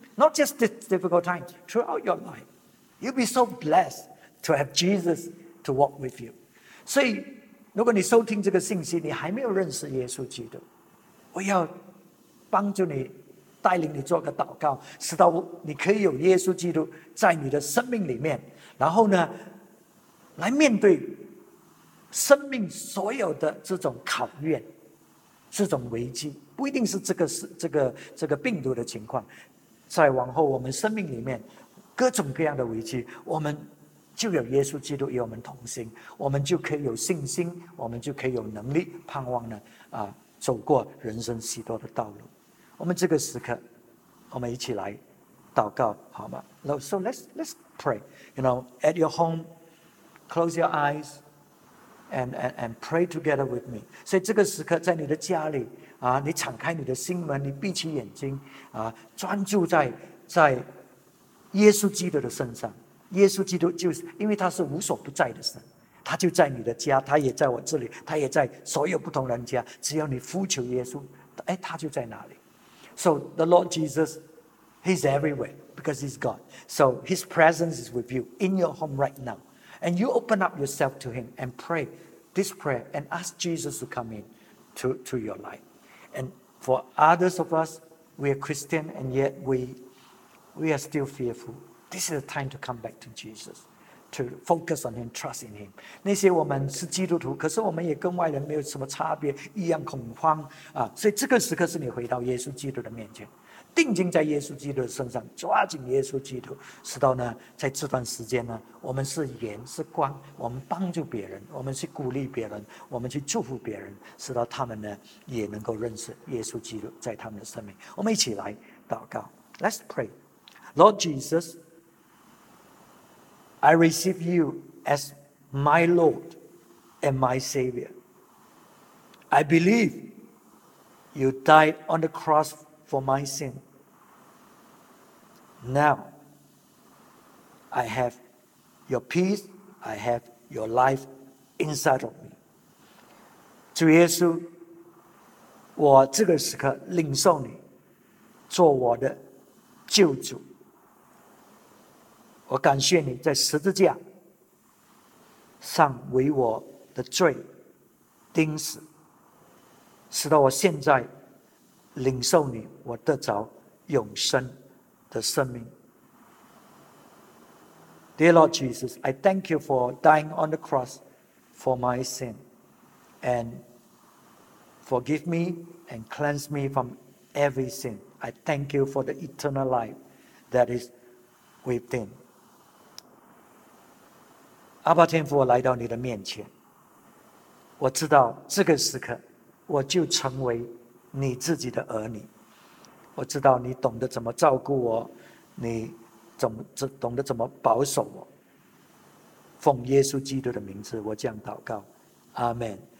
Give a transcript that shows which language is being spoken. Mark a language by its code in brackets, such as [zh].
[en] Not just this difficult time, throughout your life. You'll be so blessed to have Jesus to walk with you. [zh] 所以如果你收听这个信息，你还没有认识耶稣基督，我要帮助你带领你做个祷告，使到你可以有耶稣基督在你的生命里面，然后呢来面对生命所有的这种考验，这种危机，不一定是这个病毒的情况，在往后我们生命里面各种各样的危机，我们就有耶稣基督与我们同行，我们就可以有信心，我们就可以有能力盼望呢走过人生许多的道路。我们这个时刻我们一起来祷告好吗？ [en] So let's pray. You know, at your home, close your eyes and pray together with me. [zh] 所以这个时刻在你的家里啊，你敞开你的心门，你闭起眼睛啊，专注在耶稣基督的身上。耶稣基督就是因为他是无所不在的神，他就在你的家，他也在我这里，他也在所有不同人家，只要你呼求耶稣，哎，他就在哪里。 [en] So the Lord Jesus, He's everywhere because He's God. So His presence is with you in your home right now. And you open up yourself to Him and pray this prayer and ask Jesus to come in to your life. And for others of us, we are Christian and yet we are still fearful. This is the time to come back to Jesus, to focus on Him, trust in Him. [zh] 那些我们是基督徒，可是我们也跟外人没有什么差别，一样恐慌啊！所以这个时刻是你回到耶稣基督的面前，定睛在耶稣基督的身上，抓紧耶稣基督，直到呢，在这段时间呢，我们是盐，是光，我们帮助别人，我们去鼓励别人，我们去祝福别人，直到他们呢也能够认识耶稣基督在他们的生命。我们一起来祷告 ， [en] Let's pray, Lord Jesus. I receive you as my Lord and my Savior. I believe you died on the cross for my sin. Now, I have your peace, I have your life inside of me. [zh] 主耶稣，我这个时刻领受你做我的救主。我感谢你在十字架上为我的罪钉死，使到我现在领受你，我得着永生的生命。 [en] Dear Lord Jesus, I thank you for dying on the cross for my sin, and forgive me and cleanse me from every sin. I thank you for the eternal life that is within. [zh] 阿爸天父，我来到你的面前，我知道这个时刻我就成为你自己的儿女，我知道你懂得怎么照顾我，你懂得怎么保守我，奉耶稣基督的名字我这样祷告，阿们。